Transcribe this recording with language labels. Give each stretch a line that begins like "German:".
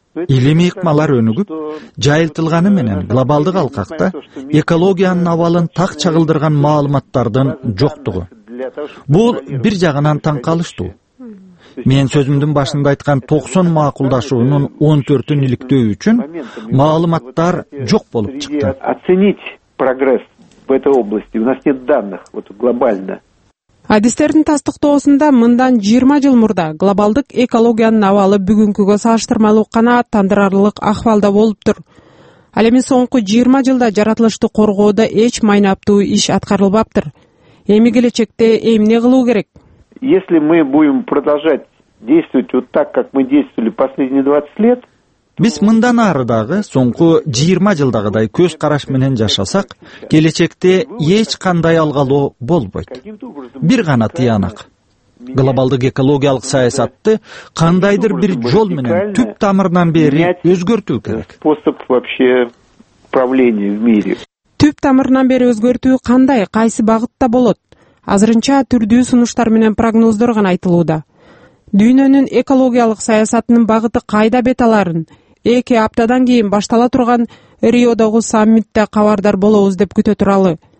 Kyrgyz: Илимий ыкмалар өнүгүп, жайылтылганы менен глобалдык алкакта экологиянын абалын так чагылдырган маалыматтардын жоктугу. Бул бир жагынан таң калыштуу. Мен сөзүмдүн башында айткан 90 макулдашуунун 14-ün иликтөө үчүн маалыматтар жок болуп чыкты.
Russian: Оценить прогресс в этой области. У нас нет данных глобально.
Kyrgyz: Адистердин тастыктоосунда мындан 20 жыл мурда глобалдык экологиянын абалы бүгүнкүгө салыштырмалуу канааттандырарлык ахвалда болуптур. Ал эми соңку 20 жылда жаратылышты коргоодо эч майнаптуу иш аткарылбаптыр. Эми келечекте эмне кылуу керек?
Russian: Если мы будем продолжать действовать вот так, как мы действовали последние 20 лет,
Kyrgyz: биз мындан ары дагы соңку 20 жылдагыдай көз караш менен жашасак, келечекте эч кандай алгалоо болбойт. Бир гана тыянак. Глобалдык экологиялык саясатты кандайдыр бир жол менен түп тамырынан бери өзгөртүү керек.
Russian: Способ вообще правления в мире.
Kyrgyz: Түп тамырынан бери өзгөртүү кандай, кайсы багытта болот? Азырынча түрдүү сунуштар менен прогноздор гана айтылууда. Дүйнөнүн экологиялык саясатынын багыты кайда бет аларын? 2 аптадан кийин баштала турган Риодогу саммитте кабардар болобуз деп күтө туралы.